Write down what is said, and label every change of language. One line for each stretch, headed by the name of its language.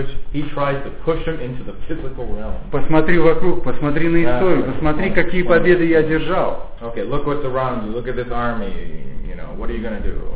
English: He tries to push him into the physical realm.
Russian: Посмотри вокруг, посмотри на историю, посмотри, какие победы я держал.
English: Okay, look what's around you, look at this army, you know, what are you gonna do?